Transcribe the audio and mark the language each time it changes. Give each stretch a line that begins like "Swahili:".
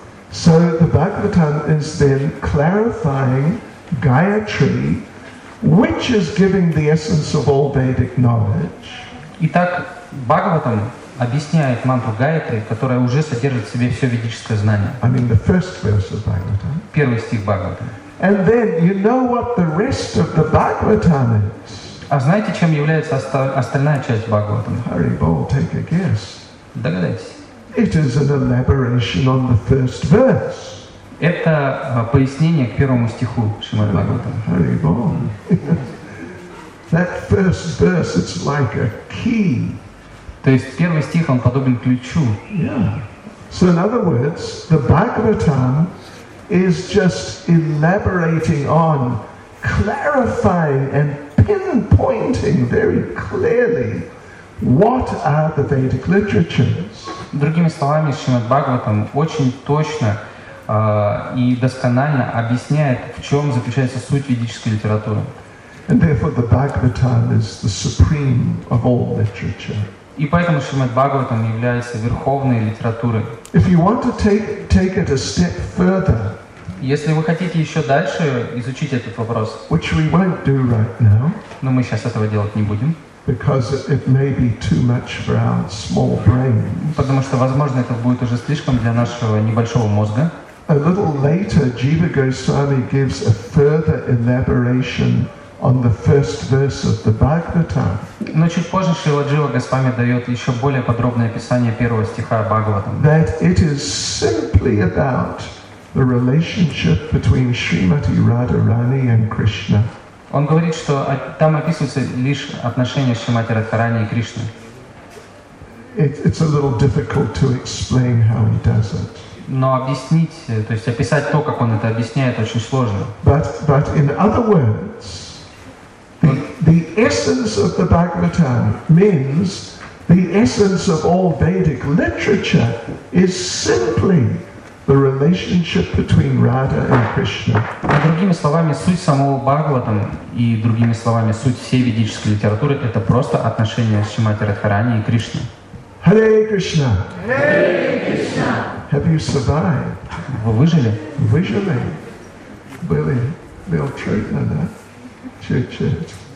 English: So the Bhagavatam is then clarifying Gayatri, which is giving the essence of all Vedic knowledge.
Russian: Итак, Бхагаватам объясняет мантру Гаятри, которая уже содержит в себе все ведическое знание.
English: I mean the first verse of Bhagavatam.
Russian: Первый стих Бхагаватам.
English: And then you know what the rest of the Bhagavatam is.
Russian: А знаете, чем является остальная часть Бхагаватам?
English: Hurry, Bol, take a guess.
Russian: Догадайтесь.
English: It is an elaboration on the first verse.
Russian: Это пояснение к первому стиху Шримад Бхагаватам.
English: Hurry, Bol. That first verse, it's like a key.
Russian: То есть первый стих, он подобен ключу.
English: Yeah. So in other words, the Bhagavatam is just elaborating on, clarifying and pinpointing very clearly what are the Vedic literatures.
Russian: Другими словами, Шримад Бхагаватам очень точно и досконально объясняет, в чем заключается суть ведической литературы.
English: And therefore the Bhagavatam is the supreme of all literature.
Russian: И поэтому Шримад Бхагаватам является верховной литературой.
English: If you want to take it a step further.
Russian: Если вы хотите еще дальше изучить этот вопрос.
English: Which we won't do right now.
Russian: Но мы сейчас этого делать не будем.
English: Because it may be too much for our small brains.
Russian: Потому что возможно это будет уже слишком для нашего небольшого мозга.
English: A little later Jiva Goswami gives a further elaboration on the first verse of the Bhagavatam.
Russian: Но чуть позже Шрила Джива Госвами дает еще более подробное описание первого стиха Бхагаватам.
English: That it is simply about the relationship between Srimati Radharani and Krishna.
Russian: Он говорит, что там описываются лишь отношения Шримати Радхарани и Кришны.
English: It's a little difficult to explain how he does it.
Russian: Но объяснить, то есть описать то, как он это объясняет, очень сложно.
English: But in other words, the essence of the Bhagavatam means the essence of all Vedic literature is simply the relationship between Radha and Krishna.
Russian: А другими словами, суть самого Бхагаватам и другими словами, суть всей ведической литературы это просто отношения Шримати Радхарани и Кришны.
English: Hare Krishna. Hare Krishna. Have you survived?
Russian: Вы выжили? Выжили. Были. Был Чайтана, да? Чуть-чуть.